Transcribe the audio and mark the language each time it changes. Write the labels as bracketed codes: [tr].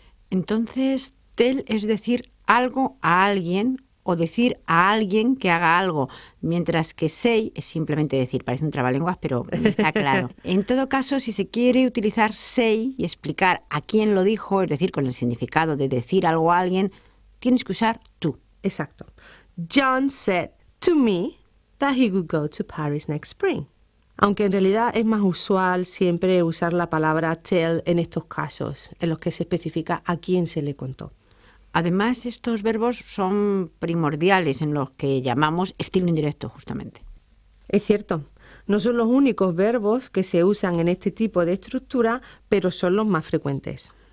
[es] Entonces, tell es decir algo a alguien o decir a alguien que haga algo, mientras que say es simplemente decir, parece un trabalenguas, pero está claro. En todo caso, si se quiere utilizar say y explicar a quién lo dijo, es decir, con el significado de decir algo a alguien, tienes que usar tú. Exacto. [en] John said to me that he would go to Paris next spring. [es] Aunque en realidad es más usual siempre usar la palabra tell en estos casos, en los que se especifica a quién se le contó. Además, estos verbos son primordiales en los que llamamos estilo indirecto, justamente. Es cierto. No son los únicos verbos que se usan en este tipo de estructura, pero son los más frecuentes.